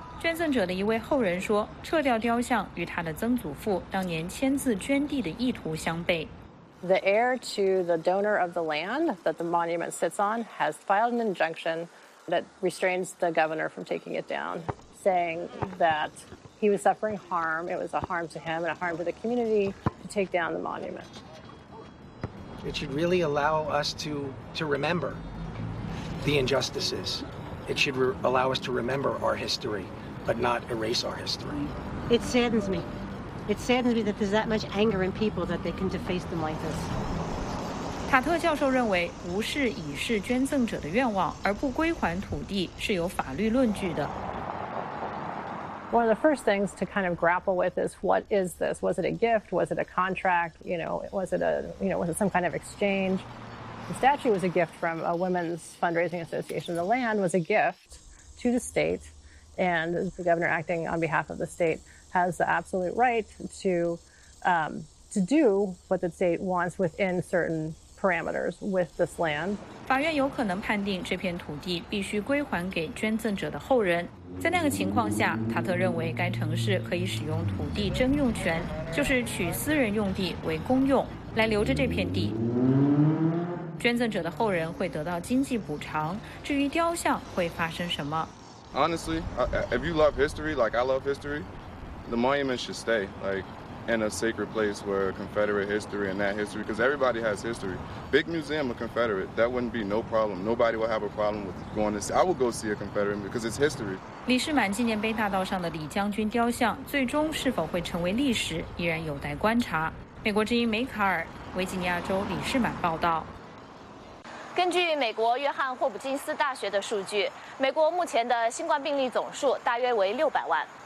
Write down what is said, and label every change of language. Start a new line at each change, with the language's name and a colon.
Chinese: 捐赠者的一位后人说，撤掉雕像与他的曾祖父当年签字捐地的意图相悖。
English: The heir to the donor of the land that the monument sits on has filed an injunction that restrains the governor from taking it down, saying that he was suffering harm. It was a harm to him and a harm to the community to take down the monument. It should really allow us to remember the injustices. It should allow us to remember our history, but not erase our history. It saddens me. It saddens me that there's that much anger in people that they can deface them like this.
Chinese: 塔特教授认为，无视已逝捐赠者的愿望而不归还土地是有法律论据的。
English: One of the first things to kind of grapple with is what is this? Was it a gift? Was it a contract? You know, was it some kind of exchange? The statue was a gift from a women's fundraising association. The land was a gift to the state, and the governor acting on behalf of the state. Has the absolute right to do what the state wants within certain parameters with this land.
Chinese: 法院有可能判定这片土地必须归还给捐赠者的后人。在那个情况下，塔特认为该城市可以使用土地征用权，就是取私人用地为公用，来留着这片地。捐赠者的后人会得到经济补偿。至于雕像会发生什么
English: ？Honestly, if you love history like I love history. The monument should stay, like, in a sacred place where Confederate history and that history, because everybody has history. Big museum of Confederate, that wouldn't be no problem. Nobody would have a problem with going to see. I would go see a Confederate because it's history.
Chinese: 李士满纪念碑大道上的李将军雕像最终是否会成为历史，依然有待观察。美国之音梅卡尔，维吉尼亚州李士满报道。根据美国约翰霍普金斯大学的数据，美国目前的新冠病例总数大约为600万。